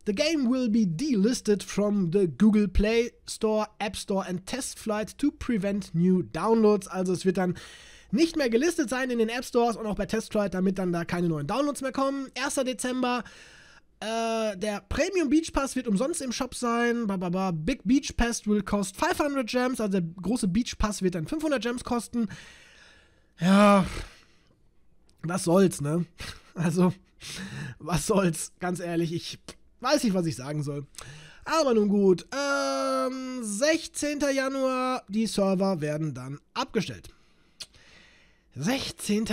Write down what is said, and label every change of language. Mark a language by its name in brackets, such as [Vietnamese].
[English] The game will be delisted from the Google Play Store, App Store and Test Flight to prevent new downloads. [German] Also es wird dann nicht mehr gelistet sein in den App Stores und auch bei Test Flight, damit dann da keine neuen Downloads mehr kommen. 1. Dezember. Der Premium Beach Pass wird umsonst im Shop sein. [English] Big Beach Pass will cost 500 Gems. [German] Also der große Beach Pass wird dann 500 Gems kosten. Ja, was soll's, ne? Also, was soll's, ganz ehrlich, ich weiß nicht, was ich sagen soll. Aber nun gut, 16. Januar, die Server werden dann abgestellt. 16.